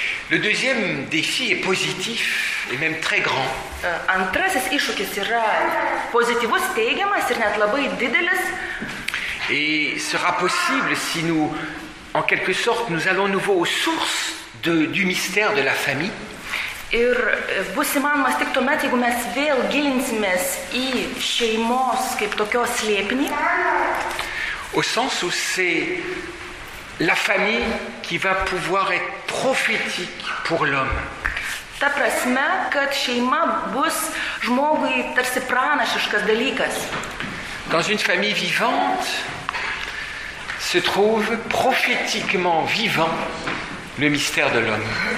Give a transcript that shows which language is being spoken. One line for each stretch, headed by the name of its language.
French: Le deuxième défi est positif et même très grand.
Lithuanian: Antrasis iššūkis yra pozityvus, teigiamas ir net labai didelis.
French: Et sera possible si nous, en quelque sorte, nous allons nouveau aux sources du mystère de la famille.
Lithuanian: Ir bus įmanomas tik tuomet, jeigu mes vėl gilinsimės į šeimos kaip tokios slėpinį.
French: Au sens où c'est la famille qui va pouvoir être prophétique pour l'homme.
Lithuanian: Ta prasme, kad šeima bus žmogui tarsi pranašiškas dalykas.
French: Dans une famille vivante se trouve prophétiquement vivant le mystère de l'homme.